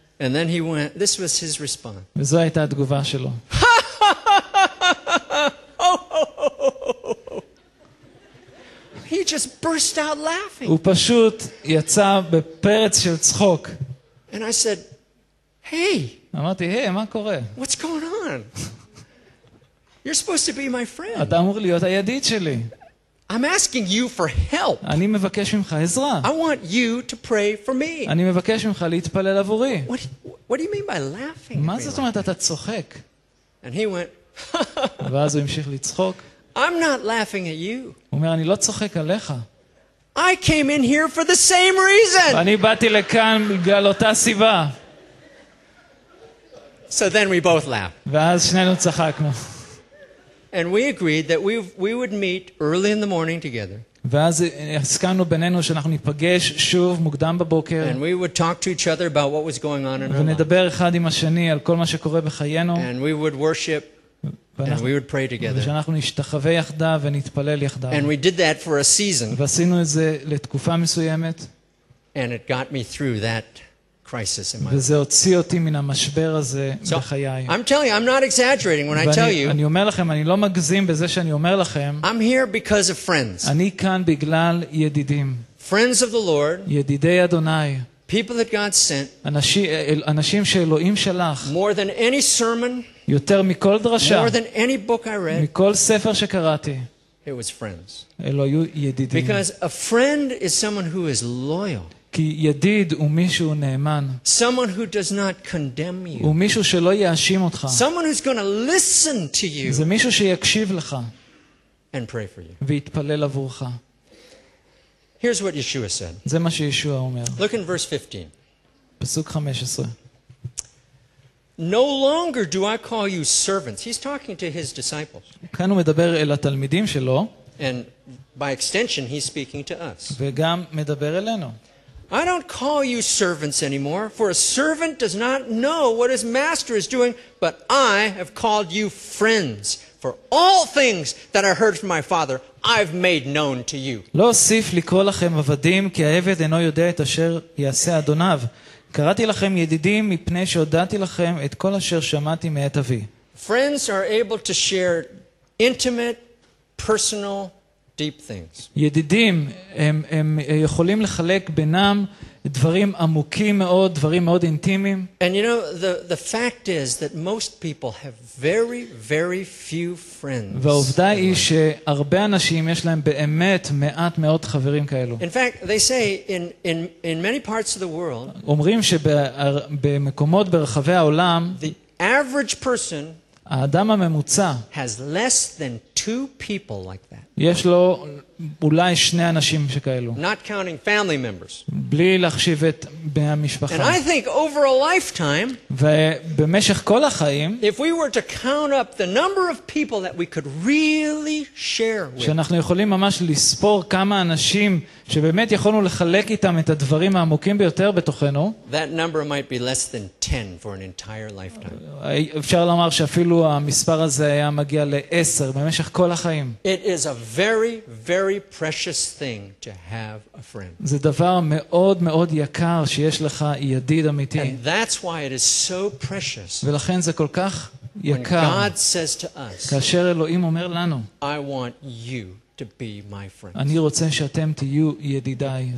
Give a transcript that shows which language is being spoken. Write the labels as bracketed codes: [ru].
[en] And then he went, this was his response. [he] וזו הייתה התגובה שלו. [en] He just burst out laughing. [he] הוא פשוט יצא בפרץ של צחוק. [en] And I said, "Hey." [he] אמרתי, "Hey, מה קורה?" [en] "What's going on?" "You're supposed to be my friend." [he] אתה אמור להיות הידיד שלי. [en] "I'm asking you for help." [he] אני מבקש ממך עזרה. [en] "I want you to pray for me." [he] אני מבקש ממך להתפלל עבורי. [en] "What do you mean by laughing?" [he] מה זאת אומרת אתה צוחק? [en] And he went. [he] ואז הוא המשיך לצחוק. [en] I'm not laughing at you. [he] אומר אני לא צוחק עליך. [en] I came in here for the same reason. [he] אני באתי לכאן בגלל אותה סיבה. [en] So then we both laughed. [he] ואז שנינו צחקנו. [en] And we agreed that we would meet early in the morning together. [he] ואז הסכמנו בינינו שאנחנו ניפגש שוב מוקדם בבוקר. [en] And we would talk to each other about what was going on in our lives. [he] ונדבר אחד עם השני על כל מה שקורה בחיינו. [en] And we would worship and we would pray together. [he] ושאנחנו נשתחווה יחדה ונתפלל יחדה. [en] And we did that for a season. [he] ועשינו את זה לתקופה מסוימת. [en] And it got me through that crisis in my life. [he] וזה הוציא אותי מן המשבר הזה בחיי. [en] I'm telling you, I'm not exaggerating when I tell you. [he] אני אומר לכם, אני לא מגזים בזה שאני אומר לכם. [en] I'm here because of friends. [he] אני כאן בגלל ידידים. [en] Friends of the Lord. [he] ידידי אדוני. [en] People that God sent. [he] אנשים שאלוהים שלח. [en] More than any sermon. [he] יותר מכל דרשה, [en] more than any book I read, [he] מכל ספר שקראתי, [en] it was friends. [he] אלו היו ידידים. [en] Because a friend is someone who is loyal. [he] כי ידיד הוא מישהו נאמן. [en] Someone who does not condemn you. [he] הוא מישהו שלא יאשים אותך. [en] Someone who's going to listen to you. [he] זה מישהו שיקשיב לך. [en] And pray for you. [he] ויתפלל עבורך. [en] Here's what Yeshua said. [he] זה מה שישוע אומר. [en] Look in verse 15. [he] פסוק 15. [en] No longer do I call you servants. He's talking to his disciples. [he] כאן הוא מדבר אל התלמידים שלו. [en] And by extension, he's speaking to us. [he] וגם מדבר אלינו. [en] I don't call you servants anymore, for a servant does not know what his master is doing, but I have called you friends, for all things that I heard from my father, I've made known to you. [he] לא אוסיף לקרוא לכם עבדים, כי העבד אינו יודע את אשר יעשה אדוניו. קראתי לכם ידידים מפני שהודעתי לכם את כל אשר שמעתי מאת אבי. [en] Friends are able to share intimate, personal, deep things. [he] ידידים הם יכולים לחלק בינם דברים עמוקים מאוד, דברים מאוד אינטימיים. [en] And you know, the fact is that most people have very, very few friends. [he] והעובדה היא שהרבה אנשים יש להם באמת מעט מאוד חברים כאלו. [en] In fact, they say in many parts of the world, [he] אומרים שבמקומות ברחבי העולם, [en] the average person, [he] האדם הממוצע, [en] has less than two people like that. [he] יש לו אולי שני אנשים שכאלו. [en] Not counting family members. [he] בלי לחשיב את בני המשפחה. [en] And I think over a lifetime, [he] ובמשך כל החיים, [en] if we were to count up the number of people that we could really share with, [he] שאנחנו יכולים ממש לספור כמה אנשים שבאמת יכולנו לחלק איתם את הדברים העמוקים ביותר בתוכנו, [en] that number might be less than 10 for an entire lifetime. [he] אפשר לומר שאפילו המספר הזה היה מגיע ל-10 במשך כל החיים. [en] It is a very, very precious thing to have a friend. [he] זה דבר מאוד מאוד יקר שיש לך ידיד אמיתי. [en] And that's why it is so precious. [he] ולכן זה כל כך יקר. [en] When God says to us, [he] כאשר אלוהים אומר לנו, [en] I want you to be my friend. [he] אני רוצה שאתם תהיו ידידיי.